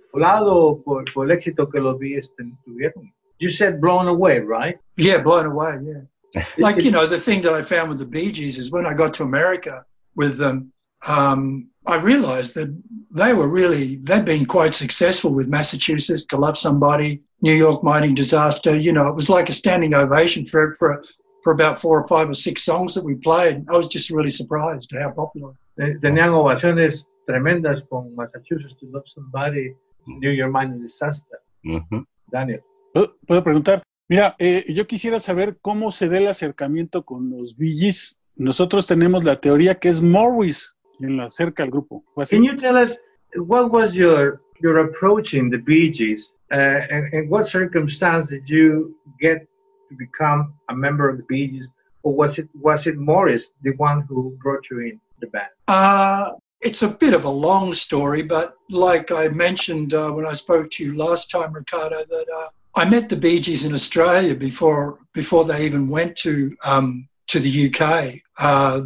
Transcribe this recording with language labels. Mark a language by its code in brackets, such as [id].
[es] volado por el éxito que los Bees tuvieron. [en] You said blown away, right? Yeah, blown away, yeah. Like, you know, the thing that I found with the Bee Gees is when I got to America with them, I realized that they were really, they'd been quite successful with Massachusetts, To Love Somebody, New York Mining Disaster. You know, it was like a standing ovation for about four or five or six songs that we played. I was just really surprised how popular. [es] Tenían ovaciones tremendas con Massachusetts to Love Somebody, New York Mind in Disaster. Uh-huh. Daniel. ¿Puedo preguntar? Mira, yo quisiera saber cómo se da el acercamiento con los Bee Gees. Nosotros tenemos la teoría que es Morris quien lo acerca al grupo. [en] Can you tell us what was your approach in the Bee Gees? And what circumstance did you get to become a member of the Bee Gees? Or was it Morris, the one who brought you in the band? It's a bit of a long story, but like I mentioned when I spoke to you last time, Ricardo, that I met the Bee Gees in Australia before they even went to the UK.